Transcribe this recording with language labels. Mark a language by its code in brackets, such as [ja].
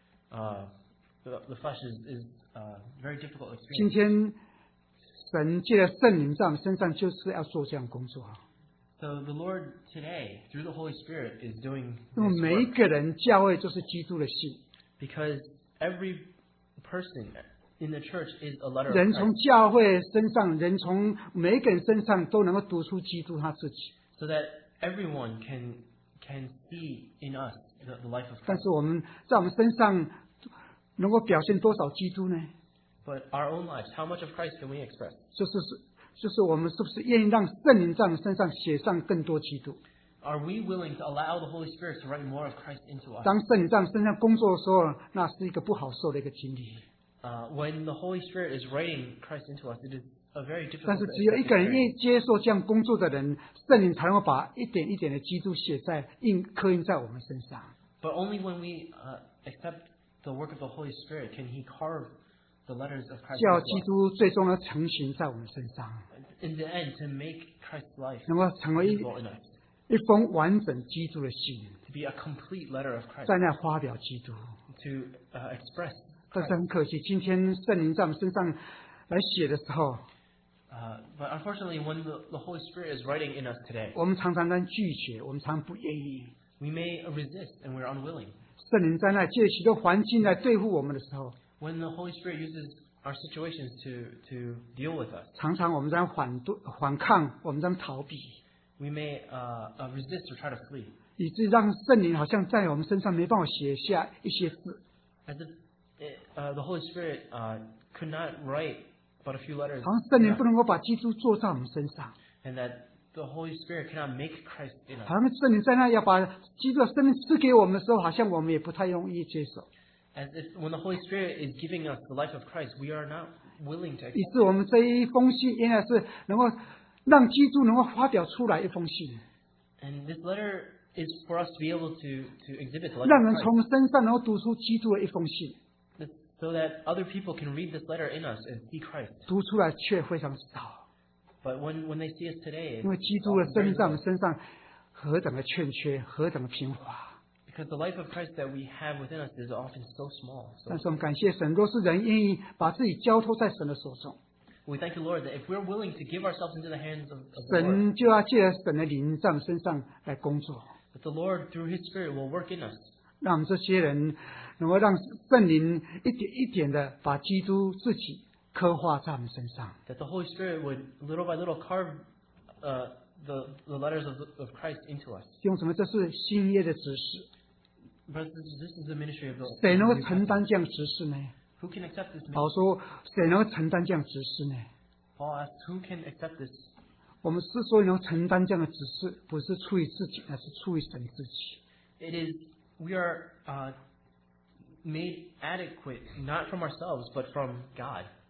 [en] Onto the flesh is a very difficult experience. [zh] 今天神借着圣灵在我们身上就是要做这样工作。 [en] So the Lord today through the Holy Spirit is doing. [zh] 因为每一个人教会就是基督的信。 [en] Because every person in the church is a letter. [zh] 人从教会身上，人从每一个人身上都能够读出基督他自己。 [en] So that everyone can see in us. The life of Christ. [zh] 但是我们在我们身上能够表现多少基督呢 [en] ？But our own lives, how much of Christ can we express？ [zh] 就是我们是不是愿意让圣灵在我们身上写上更多基督 [en] ？Are we willing to allow the Holy Spirit to write more of Christ into us？ [zh] 当圣灵在我们身上工作的时候，那是一个不好受的一个经历。 [en] When the Holy Spirit is writing Christ into us, it is a very difficult. [zh] 但是只有一个人愿意接受这样工作的人，圣灵才能够把一点一点的基督写在刻印在我们身上。 [en] But only when we accept the work of the Holy Spirit can He carve the letters of Christ. [zh] 叫基督最终要成形在我们身上。 [en] In the end, to make Christ's life. [zh] 能够成为一封完整基督的信。 [en] To be a complete letter of Christ. [zh] 在那发表基督。 [en] To express [zh] 但是很可惜，今天圣灵在我们身上来写的时候。 [en] But unfortunately, when the Holy Spirit is writing in us today, [zh] 我们常常在拒绝，我们常不愿意。 [en] We may resist and we're unwilling. [zh] 圣灵在那借许多环境来对付我们的时候。 [en] When the Holy Spirit uses our situations to deal with us, [zh] 常常我们在反抗，我们在逃避。 [en] We may resist or try to flee. [zh] 以致让圣灵好像在我们身上没办法写下一些字。 [en] As if the Holy Spirit could not write but a few letters. [zh] 好像圣灵不能够把基督坐在我们身上。 [en] And that the Holy Spirit cannot make Christ in us. [zh] 好像圣灵在那要把基督的生命赐给我们的时候，好像我们也不太容易接受。 [en] As if when the Holy Spirit is giving us the life of Christ, we are not willing to accept. [zh] 以致我们这一封信原来是能够让基督能够发表出来一封信。 [en] And this letter. Is for us to be able to exhibit the letter. [zh] 让人从身上能够读出基督的一封信。 [en] So that other people can read this letter in us and see Christ. [zh] 读出来却非常少。 [en] But when they see us today, [zh] 因为基督的生命在我们身上何等的欠缺，何等的贫乏。 [en] Because the life of Christ that we have within us is often so small. [zh] 但是我们感谢神，若是人愿意把自己交托在神的手中。 [en] We thank you, Lord, that if we're willing to give ourselves into the hands of the Lord, [zh] 神就要借着神的灵在我们身上来工作。 [en] That the Lord, through His Spirit, will work in us. [zh] 让我们这些人能够让圣灵一点一点的把基督自己刻画在我们身上。 [en] That the Holy Spirit would little by little carve the letters of Christ into us. [zh] 弟兄姊妹，这是新约的指示。 [en] But this is the ministry of the Lord. [zh] 谁能够承担这样指示呢？ [en] Who can accept this? [zh] 保说谁能承担这样指示呢 [en] ？Paul asked, "Who can accept this?" [zh] 我们是说能承担这样的指示，不是出于自己，而是出于神自己。 [en] It is we are made adequate not from ourselves but from God.